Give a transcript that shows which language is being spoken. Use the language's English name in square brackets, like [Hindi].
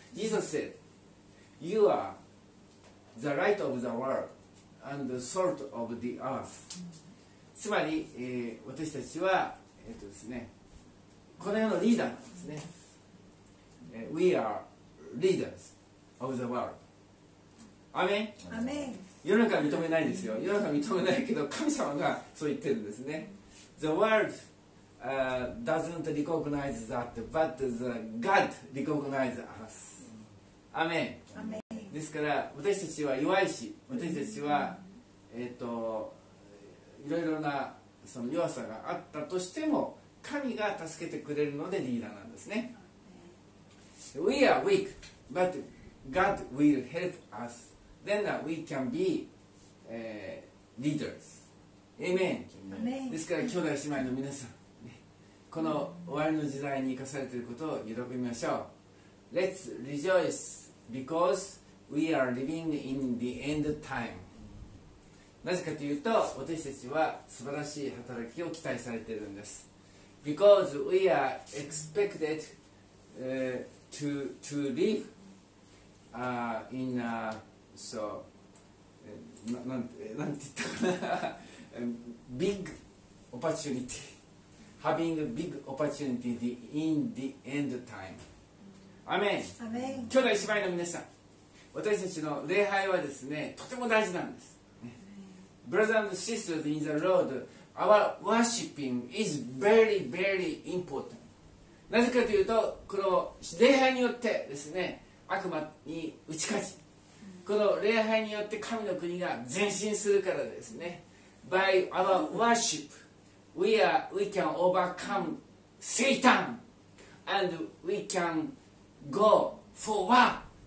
[English] Jesus said, You are the light of the world and the salt of the earth. [Japanese] つまり、私たちは、ですね、この世のリーダーなんですね。 [English] We are leaders of the world. アメン。 [Japanese] アメン。世の中は認めないですよ。世の中は認めないけど、神様がそう言ってるんですね。 [English] The worldDoesn't recognize that, but the God recognizes us. [Japanese] アメン。ですから私たちは弱いし、私たちは、いろいろなその弱さがあったとしても、神が助けてくれるのでリーダーなんですね。 [English] We are weak, but God will help us. Then we can be、leaders. アメン。 [Japanese] ですから兄弟姉妹の皆さん。この終わりの時代に生かされていることを喜びましょう。 [English] Let's rejoice because we are living in the end time. [Japanese] なぜかというと、私たちは素晴らしい働きを期待されているんです。 [English] Because we are expected、to live、in a, so, [Japanese] なんて言ったかな、 [English] big opportunity. Having a big opportunity in the end time. [Japanese] アメン。アメン。兄弟姉妹の皆さん、私たちの礼拝はですね、とても大事なんです。 [English] Brothers and sisters in the Lord, our worshiping is very, very important. [Japanese] なぜかというと、この礼拝によってですね、悪魔に打ち勝ち。この礼拝によって神の国が前進するからですね。 [English] By our worship. We can overcome Satan and we can go forward.